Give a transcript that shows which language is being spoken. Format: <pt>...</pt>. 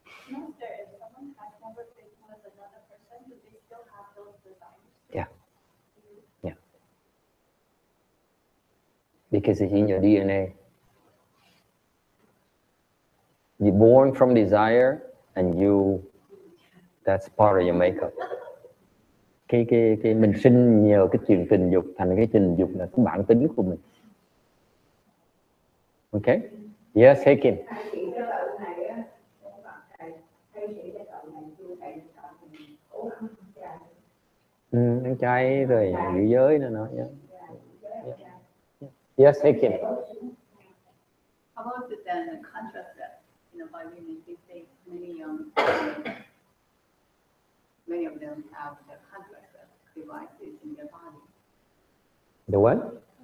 <en>Master, if someone has never been with another person, do they still have those desires? Yeah. Mm-hmm. Yeah. Because it's in your DNA. You're born from desire and you that's part of your makeup.</en> <vi>Cái mình sinh nhờ cái chuyện tình dục thành cái tình dục là cái bản tính của mình.</vi> <en>Okay. Yes, hey Kim.</en> <vi>Ăn chay rồi giữ giới nữa nói.</vi> <en>Yes, hey Kim. How about the then the contrast that you know by women they say many of them have the contrast devices in their body. The what?</en>